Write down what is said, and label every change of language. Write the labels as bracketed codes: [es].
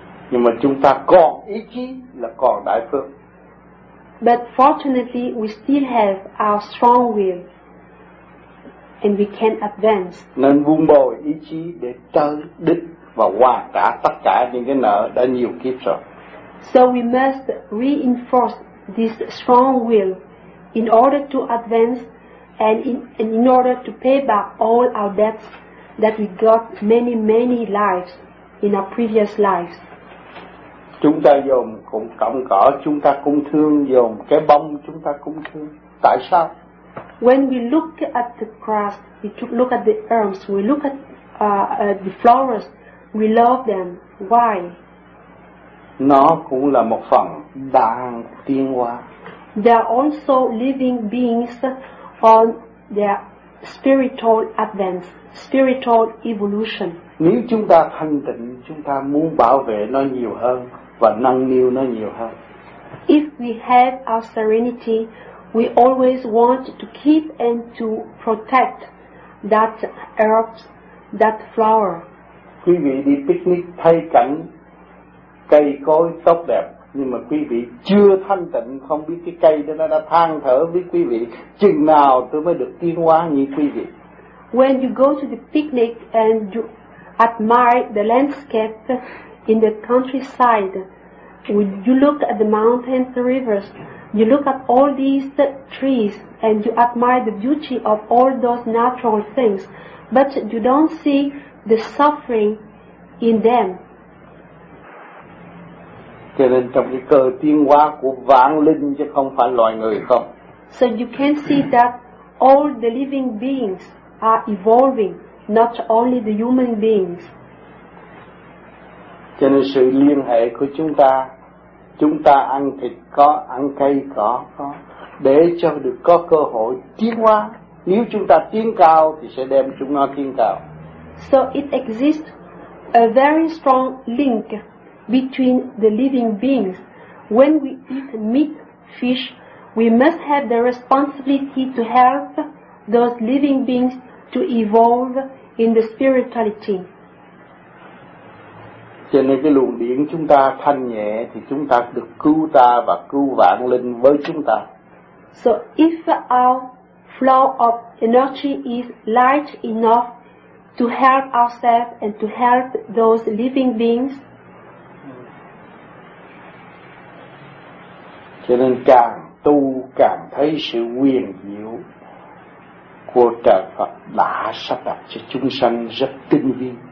[vi] Nhưng mà chúng ta còn ý chí là còn đại phương. [en] But fortunately, we still have our strong will, and we can advance. [vi] Nên vun bồi ý chí để tới đích và hoàn trả tất cả những cái nợ đã nhiều kiếp rồi. [en] So we must reinforce this strong will in order to advance. And in order to pay back all our debts that we got many lives in our previous lives. [vi] Chúng ta dùng cũng cộng cỏ, chúng ta cũng thương, dùng cái bông chúng ta cũng thương. Tại sao? [en] When we look at the grass, we look at the herbs, we look at the flowers, we love them. Why? [vi] Nó cũng là một phần đang tiến hóa. [en] They are also living beings on their spiritual advance, spiritual evolution. [vi] Nếu chúng ta thanh tịnh, chúng ta muốn bảo vệ nó nhiều hơn và nâng niu nó nhiều hơn. [en] If we have our serenity, we always want to keep and to protect that herb, that flower. [vi] Quý vị đi picnic thấy cảnh cây cối tốt đẹp. Nhưng mà quý vị chưa thanh tịnh, không biết cái cây đó nó đã than thở với quý vị chừng nào tôi mới được tiến hóa như quý vị. [en] When you go to the picnic and you admire the landscape in the countryside, you look at the mountains, the rivers, you look at all these trees and you admire the beauty of all those natural things, but you don't see the suffering in them. [vi] Cho nên trong cái cơ tiến hóa của vạn linh chứ không phải loài người không. [en] So you can see that all the living beings are evolving, not only the human beings. [vi] Cho nên sự liên hệ của chúng ta ăn thịt có, ăn cây có, để cho được có cơ hội tiến hóa. Nếu chúng ta tiến cao thì sẽ đem chúng nó tiến cao. [en] So it exists a very strong link between the living beings. When we eat meat, fish, we must have the responsibility to help those living beings to evolve in the spirituality. [vi] Cho nên cái luồng điển chúng ta thanh nhẹ thì chúng ta được cứu ta và cứu vạn linh với chúng ta. [en] So if our flow of energy is light enough to help ourselves and to help those living beings. [vi] Cho nên càng tu càng thấy sự quyền diệu của trời Phật đã sắp đặt cho chúng sanh rất tinh vi.